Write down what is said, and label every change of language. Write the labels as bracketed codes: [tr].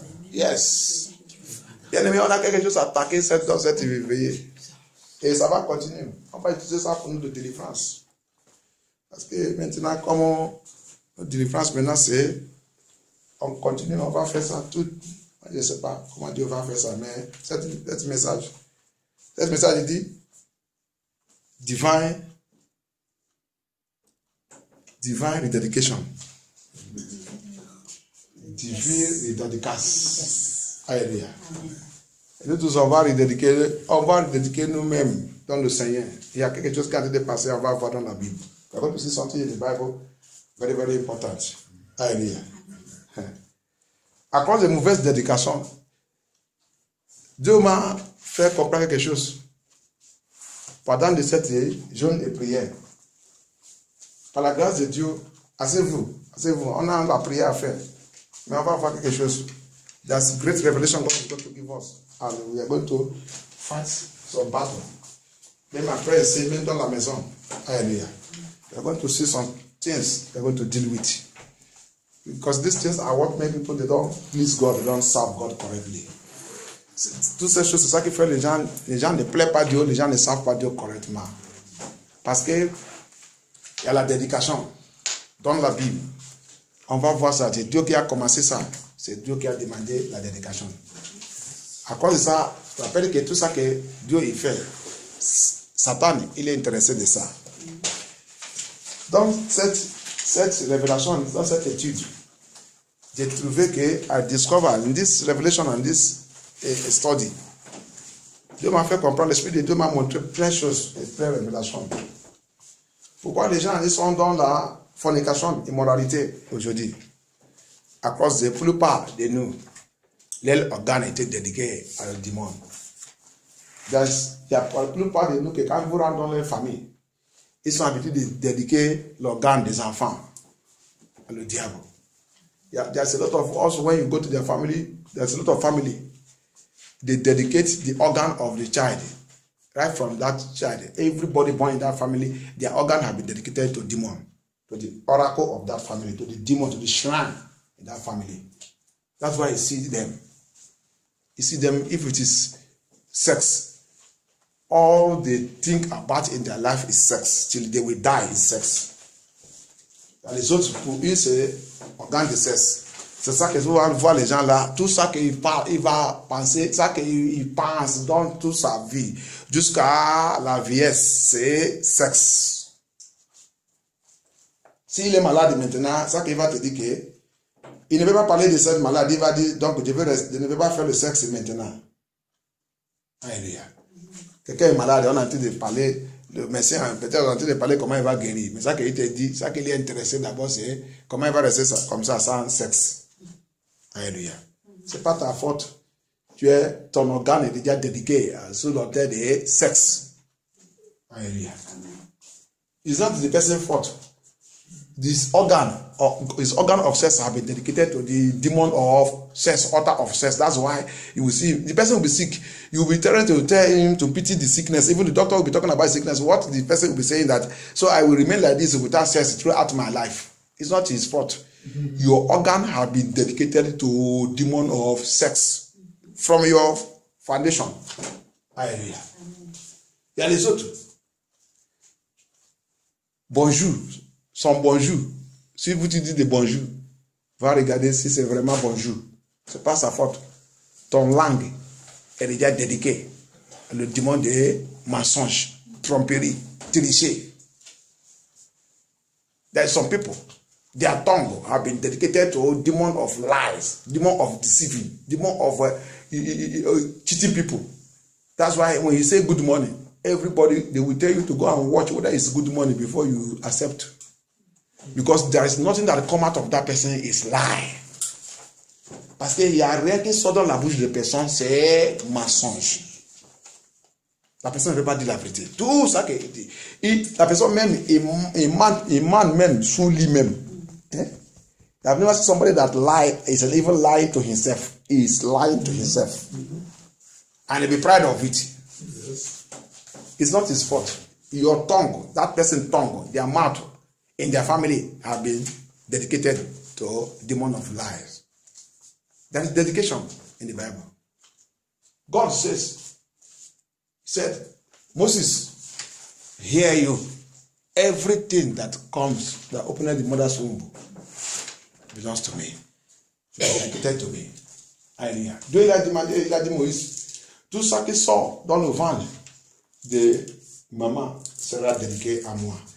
[en] Yes. The enemy on a cake just attacking centers at TV. It's about continuing. How about Jesus happened to deliverance? [fr] Parce que maintenant, comme on dit, France, maintenant, c'est on continue, on va faire ça tout. Je ne sais pas comment Dieu va faire ça, mais cette message, il dit divine rededication. Divine rededicace. Alléluia. Et nous tous, on va rededicater nous-mêmes dans le Seigneur. Il y a quelque chose qui est en train de passer, on va voir dans la Bible. La Bible aussi sortie de la Bible, [en] very, very important. [fr] Alléluia. À cause des mauvaises dédications, Dieu m'a fait comprendre quelque chose. Pendant de cette jeûne et prière, par la grâce de Dieu, assez-vous, on a la prière à faire. Mais on va voir quelque chose. [en] That's a great revelation God is going to give us. And we are going to fight some battle. [fr] Même après, c'est même dans la maison. [en] Alléluia. We are going to see some things we are going to deal with. Because these things are what make people, they don't please God, they don't serve God correctly. [fr] Toutes ces choses, c'est ça qui fait les gens ne plaisent pas Dieu, les gens ne savent pas Dieu correctement. Parce que il y a la dédication dans la Bible. On va voir ça, c'est Dieu qui a commencé ça. C'est Dieu qui a demandé la dédication. À cause de ça, je rappelle que tout ça que Dieu il fait, Satan, il est intéressé de ça. Dans cette révélation, dans cette étude, j'ai trouvé que [en] in this study, [fr] Dieu m'a fait comprendre, l'Esprit de Dieu m'a montré plein de choses, plein de révélations. Pourquoi les gens ils sont dans la fornication, immoralité aujourd'hui? À cause de la plupart de nous, les organes étaient dédiés à le démon. Il y a pour la plupart de nous que quand vous rentrez dans les familles, ils sont habitués de dédiquer l'organe des enfants à le diable. [en] There's a lot of us, when you go to their family, there's a lot of family. They dedicate the organ of the child, right from that child. Everybody born in that family, their organ has been dedicated to demon, to the oracle of that family, to the demon, to the shrine in that family. That's why you see them. You see them, if it is sex, all they think about in their life is sex. Till they will die in sex. [fr] Dans les autres, pour eux, c'est organe de sexe. C'est ça que vous allez voir les gens là. Tout ça qu'il parle, il va penser, ça qu'il pense dans toute sa vie, jusqu'à la vieillesse, c'est sexe. S'il est malade maintenant, ça qu'il va te dire que il ne veut pas parler de cette maladie, il va dire, donc je ne veux pas faire le sexe maintenant. Alléluia. Quelqu'un est malade, on est en train de parler, le médecin peut-être en train de parler comment il va guérir. Mais ça qu'il te dit, ça qu'il est intéressé d'abord, c'est comment il va rester ça, comme ça, sans sexe. Alléluia. C'est pas ta faute. Ton organe est déjà dédiqué sous l'autel de sexe. [en] Alléluia. It's not the person's fault. This organ of sex have been dedicated to the demon of sex, altar of sex. That's why you will see the person will be sick. You will be trying to tell him to pity the sickness. Even the doctor will be talking about sickness. What the person will be saying that, so I will remain like this without sex throughout my life. It's not his fault. Mm-hmm. Your organ have been dedicated to demon of sex from your foundation. [fr] Alléluia. Il y a les autres. Bonjour. Son bonjour. Si vous te dites de bonjour, va regarder si c'est vraiment bonjour. Ce n'est pas sa faute. Ton langue est déjà dédiquée à le démon de mensonge, tromperie, tricher. [en] There are some people. Their tongue have been dedicated to demon of lies, demon of deceiving, demon of cheating people. That's why when you say good morning, everybody, they will tell you to go and watch whether it's good money before you accept. Because there is nothing that come out of that person is lie. [fr] Parce que il y a rien qui sort dans la bouche de personne, c'est mensonge. La personne ne veut pas dire la vérité. Tout ça qu'elle dit. La personne même, il ment même sous lui-même. [en] Hein? I've never seen somebody that lie, is even lying to himself. He is lying to himself. And he be proud of it. It's not his fault. Your tongue, that person's tongue, their mouth, in their family have been dedicated to demon of lies. That is dedication in the Bible. God says, said, Moses, hear you. Everything that comes, that opened the mother's womb, belongs to me. Dedicated to me. Alléluia. [fr] Dieu l'a demandé, il a dit Moïse, tout ce qui sort dans le ventre de maman sera dédié à moi.